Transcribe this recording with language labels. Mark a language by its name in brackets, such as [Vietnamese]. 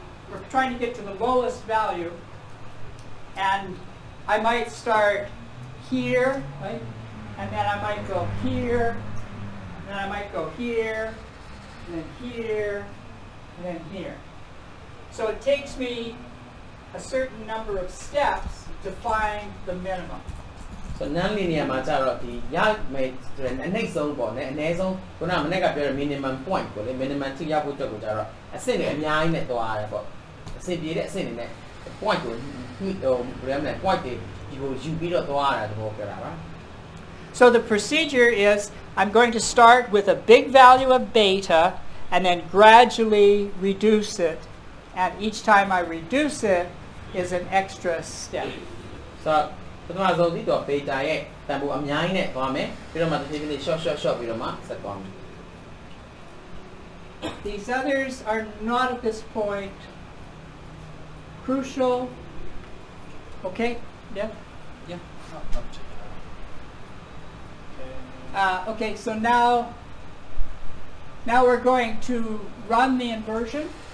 [English] We're trying to get to the lowest value. And I might start here, right? And then I might go here, and then I might go here, and then here, and then here. So it takes me a certain number of steps to find the minimum. So [Burmese] nonlinear မှာကျတော့ဒီရမယ်တဲ့အနည်းဆုံးပေါ့နည်းအနည်းဆုံးခုနကမနေ့ကပြောတဲ့ minimum point ကိုလေ minimum ချရဖို့အတွက်ကိုကျတော့အဆင့်တွေအများကြီးနဲ့သွားရဲပေါ့အဆင့်ပြေတဲ့အဆင့်တွေနဲ့ point ကိုဟိုဘယ်မှာ point တွေဒီကိုယူပြီးတော့သွားရတာသဘောပြောတာပါ [English] So the procedure is I'm going to start with a big value of beta and then gradually reduce it and each time I reduce it is an extra step So [Burmese] ပထမဆုံးဒီတော့ beta ရဲ့တန်ဖိုးအများကြီးနဲ့သွားမယ်ပြီးတော့မှတစ်ဖြည်းဖြည်းလေး [English] short short short [Burmese] ပြီးတော့မှဆက်သွားမယ် [English] These others are not at this point crucial okay yeah okay so now we're going to run the inversion